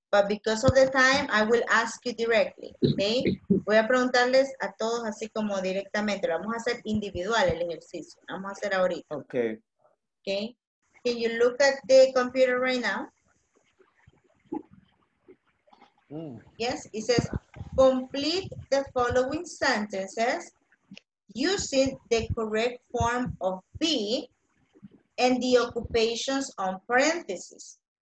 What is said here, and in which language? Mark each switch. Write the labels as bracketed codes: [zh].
[en] But because of the time, I will ask you directly. Okay? [es] Voy a preguntarles a todos así como directamente. Lo vamos a hacer individual el ejercicio. Vamos a hacer ahorita. [en] Okay. Okay. Can you look at the computer right now? Yes, it says, complete the following sentences using the correct form of be and the occupations on parentheses.